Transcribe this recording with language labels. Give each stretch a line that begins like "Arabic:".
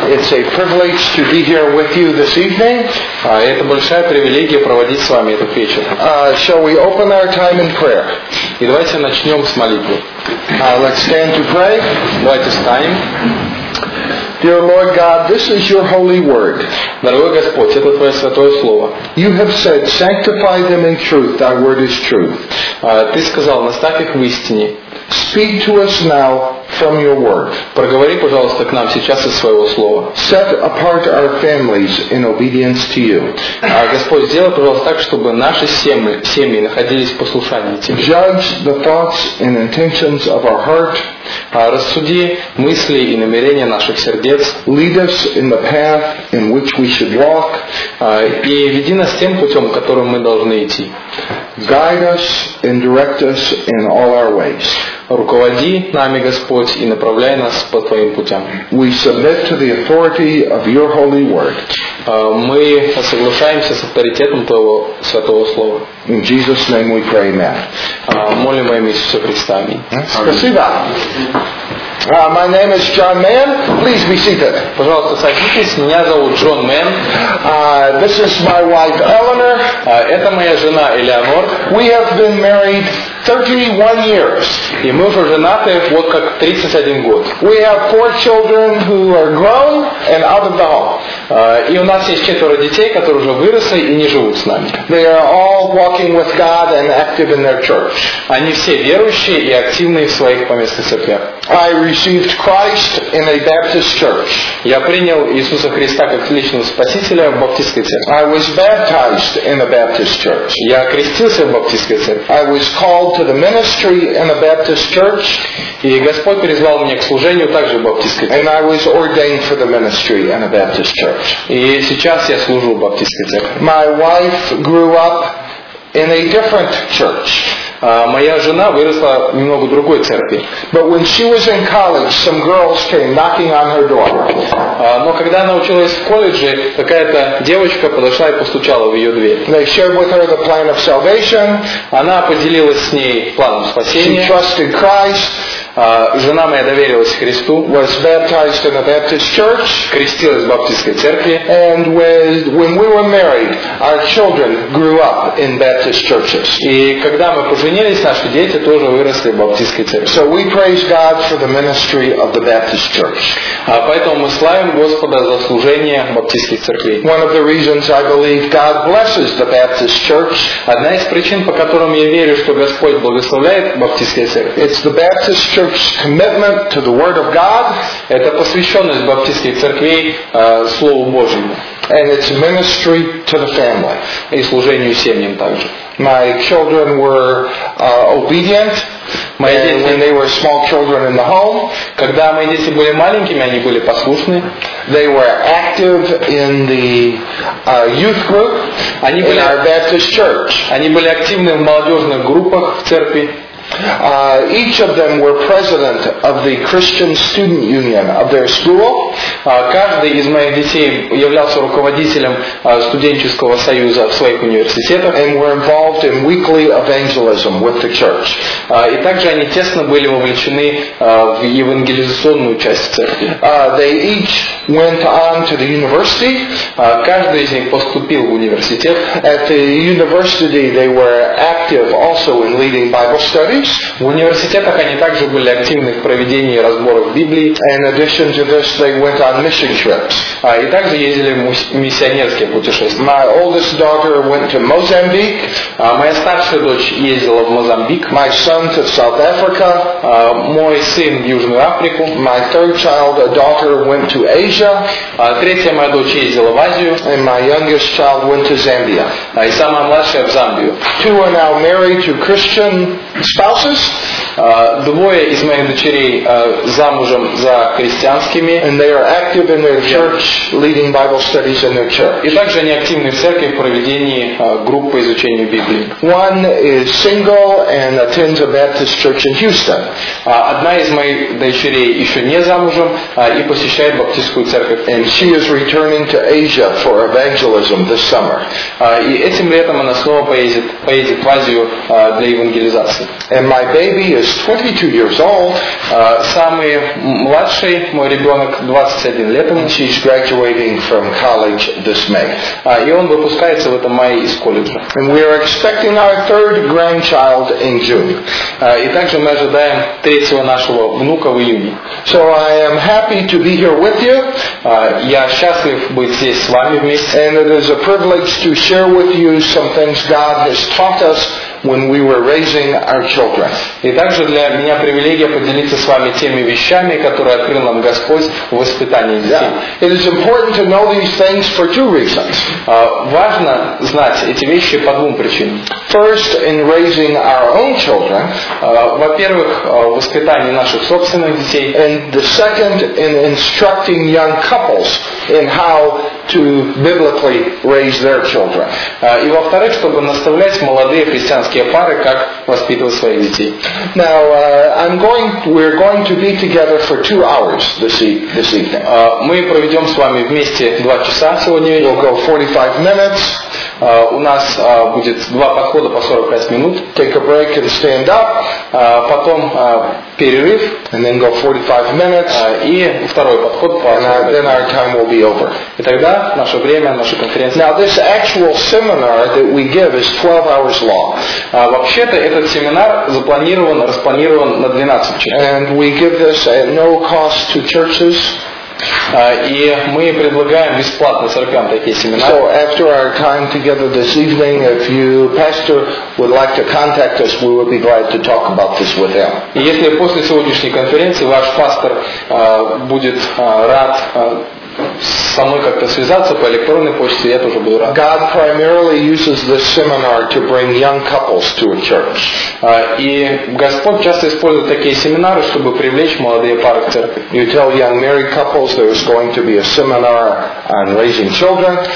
English: It's a privilege to be here with you this evening.
Russian: Это большая привилегия проводить с вами этот вечер.
English: Shall we open our time in prayer?
Russian: И давайте начнем с молитвы.
English: Let's stand to pray.
Russian: Давайте встанем.
English: Dear Lord God, this is your holy word.
Russian: Дорогой Господь, это твое святое слово.
English: You have said, sanctify them in truth. Thy word is truth.
Russian: Ты сказал, наставь их в истине.
English: Speak to us now from your word.
Russian: Проговори, пожалуйста, к нам сейчас из своего слова.
English: Set apart our families in obedience to you.
Russian: Господь, сделай, пожалуйста, так, чтобы наши семьи находились в послушании Тебе.
English: Judge the thoughts and intentions of our heart.
Russian: Рассуди мысли и намерения наших сердец.
English: Lead us in the path in which we should walk.
Russian: И веди нас тем путем, которым мы должны идти.
English: Guide us and direct us in all our ways.
Russian: Руководи нами, Господь, и направляй нас по Твоим путям.
English: We submit to the authority of Your holy word.
Russian: Мы соглашаемся с авторитетом Твоего святого слова.
English: In Jesus' name we pray, Amen.
Russian: Молим во имя Иисуса Христа. Спасибо.
English: My name is John Mann. Please be seated.
Russian: Пожалуйста, садитесь. Меня зовут Джон Мэн.
English: This is my wife Eleanor.
Russian: Это моя жена Элеонор.
English: We have been married 31 years.
Russian: И мы уже женаты вот как 31 год.
English: We have four children who are grown and out of the home.
Russian: И у нас есть четверо детей, которые уже выросли и не живут с нами.
English: They are all walking with God and active in their church.
Russian: Они все верующие и активные в своих поместных церквях.
English: I received Christ in a Baptist church.
Russian: Я принял Иисуса Христа как личного спасителя в баптистской церкви.
English: I was baptized in a Baptist church.
Russian: Я крестился в баптистской церкви.
English: I was called to the ministry in a Baptist church.
Russian: И Господь призвал меня к служению также в баптистской церкви.
English: And I was ordained for the ministry in a Baptist church.
Russian: И сейчас я служу в баптистской церкви.
English: My wife grew up in a different church.
Russian: Моя жена выросла немного в другой церкви.
English: But when she was in college, some girls came knocking on her door.
Russian: Но когда она училась в колледже, какая-то девочка подошла и постучала в ее дверь.
English: They shared with her the plan of salvation.
Russian: Она поделилась с ней планом спасения.
English: She trusted Christ.
Russian: Жена моя доверилась Христу.
English: Was baptized in a Baptist church.
Russian: Крестилась в баптистской церкви.
English: And when we were married, our children grew up in Baptist churches.
Russian: И когда мы поженились, наши дети тоже выросли в баптистской церкви.
English: So we praise God for the ministry of the Baptist church.
Russian: Поэтому мы славим Господа за служение баптистской церкви.
English: One of the reasons I believe God blesses the Baptist church.
Russian: Одна из причин, по которым я верю, что Господь благословляет баптистскую церковь.
English: It's the Baptist church commitment to the Word of God.
Russian: Это посвященность баптистской церкви Слову Божьему.
English: And its ministry to the family.
Russian: И служению семьям также.
English: My children were obedient.
Russian: Мои дети,
English: when they were small children in the home,
Russian: когда мои дети были маленькими, они были послушны.
English: They were active in the youth group.
Russian: Они были
English: in our Baptist church.
Russian: Они были активны в молодежных группах в церкви.
English: Each of them were president of the Christian Student Union of their school.
Russian: Каждый из моих детей являлся руководителем студенческого союза в своих университетах.
English: And were involved in weekly evangelism with the church.
Russian: И также они тесно были вовлечены в евангелизационную часть церкви.
English: They each went on to the university.
Russian: Каждый из них поступил в университет.
English: At the university they were active also in leading Bible studies.
Russian: В университетах они также были активны в проведении разборов Библии.
English: In addition to this, they went on mission trips.
Russian: И также ездили в миссионерские путешествия.
English: My oldest daughter went to Mozambique.
Russian: Моя старшая дочь ездила в Мозамбик.
English: My son to South Africa.
Russian: Мой сын в Южную Африку.
English: My third child, a daughter, went to Asia.
Russian: Третья моя дочь ездила в Азию.
English: And my youngest child went to Zambia.
Russian: И самая младшая в Замбию.
English: Two are now married to Christian spouses. spouses.
Russian: Двое из моих дочерей замужем за христианскими.
English: And they are active in their church, leading Bible studies in their church.
Russian: И также они активны в церкви в проведении группы изучения Библии.
English: One is single and attends a Baptist church in Houston.
Russian: Одна из моих дочерей еще не замужем и посещает баптистскую церковь.
English: And she is returning to Asia for evangelism this summer.
Russian: И этим летом она снова поедет в Азию для евангелизации.
English: And my baby is 22 years old.
Russian: Самый младший мой ребенок 21 лет.
English: And she's graduating from college this May.
Russian: И он выпускается в этом мае из колледжа.
English: And we are expecting our third grandchild in June.
Russian: И также мы ожидаем третьего нашего внука в июне.
English: So I am happy to be here with you.
Russian: Я счастлив быть здесь с вами вместе.
English: And it is a privilege to share with you some things God has taught us when we were raising our children.
Russian: И также для меня привилегия поделиться с вами теми вещами, которые открыл нам Господь в воспитании детей.
English: Yeah. It is important to know these things for two reasons.
Russian: Важно знать эти вещи по двум причинам.
English: First, in raising our own children.
Russian: Во-первых, в воспитании наших собственных детей.
English: And the second, in instructing young couples in how to biblically raise their children.
Russian: И во-вторых, чтобы наставлять молодые христианские пары, как воспитывать своих детей.
English: Now, we're going to be together for 2 hours this evening.
Russian: Мы проведем с вами вместе 2 часа сегодня.
English: We'll go 45 minutes.
Russian: У нас будет 2 подхода по 45 минут.
English: Take a break and stand up.
Russian: Потом перерыв.
English: And then go 45 minutes.
Russian: И второй подход по 45 минут.
English: Then our time will be over.
Russian: И тогда наше время, наша конференция.
English: Now, this actual seminar that we give is 12 hours long.
Russian: Вообще-то этот семинар распланирован на 12 часов.
English: And we give this at no cost to churches.
Russian: И мы предлагаем бесплатно церквям такие семинары.
English: So after our time together this evening, if you, pastor, would like to contact us, we would be glad to talk about this with him.
Russian: И если после сегодняшней конференции ваш пастор будет рад со мной как-то связаться по электронной почте, я тоже буду рад.
English: God primarily uses this seminar to bring young couples to a church.
Russian: И Господь часто использует такие семинары, чтобы привлечь молодые пары к церкви.
English: You tell young married couples there is going to be a seminar on raising children.